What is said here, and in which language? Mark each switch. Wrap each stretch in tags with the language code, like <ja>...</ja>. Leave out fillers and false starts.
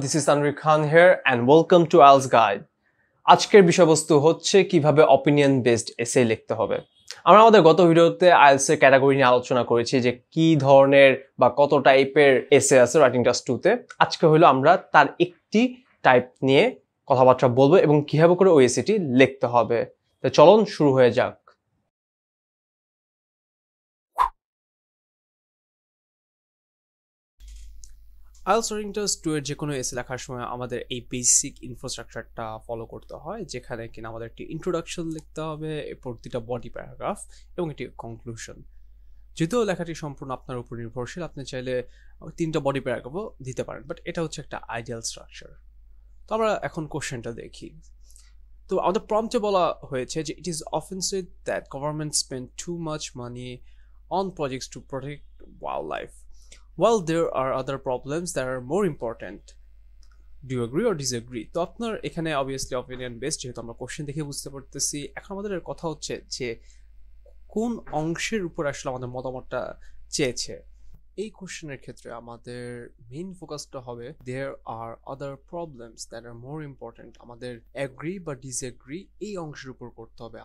<en>This is Tanvir Khan here and welcome to Ielts Guide.</en> <bn>আজকের বিষয়বস্তু হচ্ছে কিভাবে opinion based essay লিখতে হবে। আমরা আমাদের গত ভিডিওতে IELTS এর ক্যাটাগরি নিয়ে আলোচনা করেছি যে কি ধরনের বা কত টাইপের এসে আছে রাইটিং ক্লাস 2 তে। আজকে হলো আমরা তার একটি টাইপ নিয়ে কথাবার্তা বলবো এবং কিভাবে করে ওই এসেটি লিখতে হবে। তো চলুন শুরু হয়ে যাক। IELTS রাইটিং ক্লাস 2 এর যে কোনো এসে লেখার সময় আমাদের এই বেসিক ইনফ্রাস্ট্রাকচারটা ফলো করতে হয়, যেখানে কিনা আমাদের একটি ইন্ট্রোডাকশন লিখতে হবে, এরপর দুটা বডি প্যারাগ্রাফ এবং একটি কনক্লুশন। যেহেতু লেখাটি সম্পূর্ণ আপনার উপর নির্ভরশীল, আপনি চাইলে তিনটা বডি প্যারাগ্রাফও দিতে পারেন, বাট এটা হচ্ছে একটা আইডিয়াল স্ট্রাকচার। তো আমরা এখন কোশ্চেনটা দেখি। তো আমাদের প্রম্পটে বলা হয়েছে যে</bn> <en>It is offensive that government spend too much money on projects to protect wildlife. Well, there are other problems that are more important. Do you agree or disagree?</en> <bn>তো আপনার এখানে অবভিয়াসলি অপিনিয়ন বেসড, যেহেতু আমরা question দেখে বুঝতে পারতেছি। এখন আমাদের কথা হচ্ছে যে কোন অংশের উপর আসলে আমাদের মতামতটা চেয়েছে। এই কোশ্চেনের ক্ষেত্রে আমাদের মেইন ফোকাসটা হবে</bn> <en>there are other problems that are more important,</en> <bn>আমাদের অ্যাগ্রি বা ডিসঅ্যাগ্রি এই অংশের উপর করতে হবে।</bn>